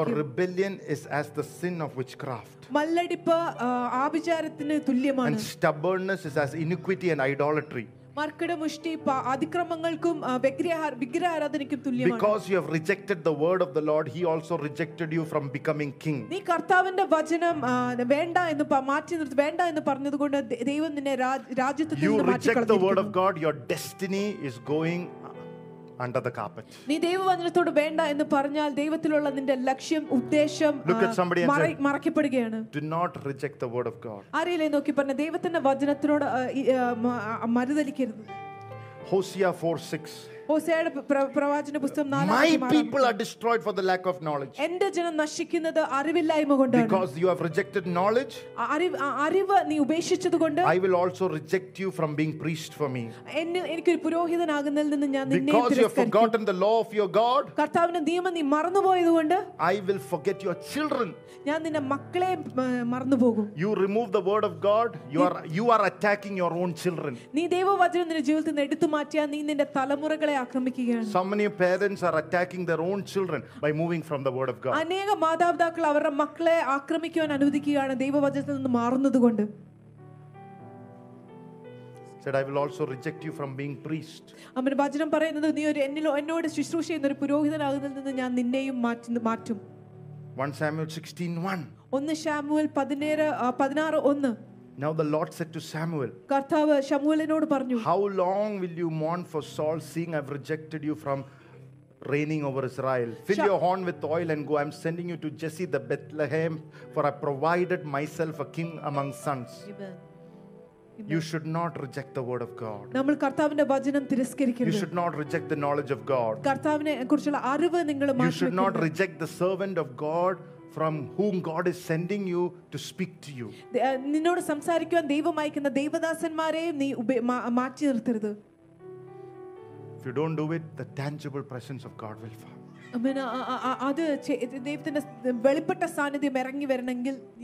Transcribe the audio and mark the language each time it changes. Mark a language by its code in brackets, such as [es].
[en] For rebellion is as the sin of witchcraft. [ml] മല്ലടിപ്പ് ആഭിചാരത്തിന് തുല്യമാണ്. [en] And stubbornness is as iniquity and idolatry. Because you have rejected the word of the Lord, he also rejected you from becoming king. [ml] നീ കർത്താവിന്റെ വചനം വേണ്ട എന്ന് മാറ്റി നിർത്തി വേണ്ട എന്ന് പറഞ്ഞതുകൊണ്ട് ദൈവം നിന്നെ രാജ്യത്തിൽ നിന്ന് മാറ്റി കളഞ്ഞു. [en] You reject the word of God, your destiny is going under the carpet. [ml] നീ ദൈവവചനത്തോട് വേണ്ട എന്ന് പറഞ്ഞാൽ ദൈവത്തിലുള്ള നിന്റെ ലക്ഷ്യം ഉദ്ദേശം മറയ്ക്കപ്പെടുകയാണ്. [en] Do not reject the word of God. [ml] ആരെയും നോക്കി പറഞ്ഞ ദൈവത്തിന്റെ വചനത്തോട് മരുതലിക്കരുത്. [en] Hosea 4:6. [ml] ഹോസയുടെ പ്രവാചന പുസ്തകം 4:6. [en] My people are destroyed for the lack of knowledge. [ml] എന്റെ ജനം നശിക്കുന്നത് അറിവില്ലായ്മ കൊണ്ടാണ്. [en] Because you have rejected knowledge. [ml] അറിവ് നീ ഉപേക്ഷിച്ചതുകൊണ്ട്. [en] I will also reject you from being priest for me. [ml] എനിക്ക് ഒരു പുരോഹിതനാകുന്നതിൽ നിന്ന് ഞാൻ നിന്നെ തിരസ്കരിക്കും. [en] Because you have forgotten the law of your God. [ml] കർത്താവിന്റെ നിയമം നീ മറന്നുപോയതുകൊണ്ട്. [en] I will forget your children. [ml] ഞാൻ നിന്റെ മക്കളെ മറന്നുപോകും. [en] You remove the word of God, you are attacking your own children. [ml] നീ ദൈവവചനം നിന്റെ ജീവിതത്തിൽ നിന്ന് എടുത്തുമാറ്റിയാൽ നീ നിന്റെ തലമുറ [en] So many parents are attacking their own children by moving from the word of God. [ml] അനേക മാതാപിതാക്കൾ അവരുടെ മക്കളെ ആക്രമിക്കാൻ അനുവദിക്കുകയാണ് ദൈവവചനത്തിൽ നിന്ന് മാറുന്നതുകൊണ്ട്. [en] Said I will also reject you from being priest. [ml] അമ്മ വചനം പറയുന്നത് നീ ഒരു എന്നോട് ശുശ്രൂഷ ചെയ്യുന്ന ഒരു പുരോഹിതനാകുന്നതിൽ നിന്ന് ഞാൻ നിന്നെയും മാറ്റും. [en] 1 Samuel 16:1. 1 Samuel 16:1. Now the Lord said to Samuel, [ml] കർത്താവ് ശമൂവേലിനോട് പറഞ്ഞു, [en] How long will you mourn for Saul, seeing I've rejected you from reigning over Israel? Fill your horn with oil and go. I'm sending you to Jesse the Bethlehem, for I provided myself a king among sons. You should not reject the word of God. [ml] നമ്മൾ കർത്താവിന്റെ വചനം തിരസ്കരിക്കരുത്. [en] You should not reject the knowledge of God. [ml] കർത്താവിനെ കുറിച്ചുള്ള അറിവ് നിങ്ങൾ മാറ്റരുത്. [en] You should not reject the servant of God from whom God is sending you to speak to you. [ml] നിന്നോട് സംസാരിക്കാൻ ദൈവം അയക്കുന്ന ദൈവദാസന്മാരെ നീ മാറ്റി നിർത്തരുത്. [en] If you don't do it, the tangible presence of God will fall. [ml] അമേന. അത് ദൈവത്തിന്റെ വെളിപ്പെട്ട സാന്നിധ്യം ഇറങ്ങി വരണമെങ്കിൽ.